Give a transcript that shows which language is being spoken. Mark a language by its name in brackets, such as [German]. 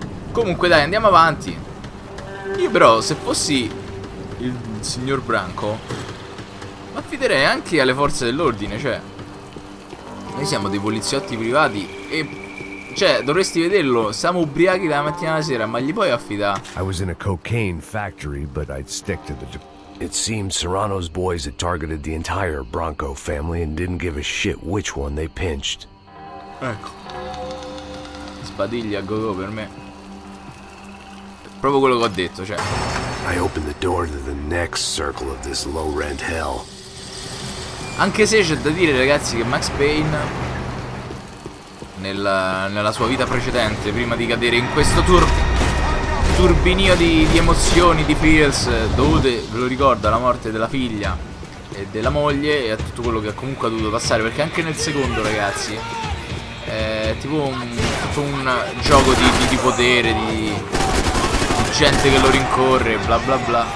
[Italian] Comunque dai, andiamo avanti. Io però, se fossi il signor Branco, mi affiderei anche alle forze dell'ordine, cioè. Noi siamo dei poliziotti privati e... cioè, dovresti vederlo, siamo ubriachi dalla mattina alla sera, ma gli puoi affidare. [English] I was in a cocaine factory, but I'd stick to the... It seems Serrano's boys had targeted the entire Branco family and didn't give a shit which one they pinched. [Italian] Ecco. Sbadiglia a go-go per me. Proprio quello che ho detto, cioè. [English] I opened the door to the next circle of this low rent hell. [Italian] Anche se c'è da dire, ragazzi, che Max Payne nella sua vita precedente, prima di cadere in questo turbinio di emozioni, di feels, dovute, ve lo ricordo, alla morte della figlia e della moglie e a tutto quello che ha comunque dovuto passare, perché anche nel secondo, ragazzi, è tipo un gioco di potere, di gente che lo rincorre, bla bla bla.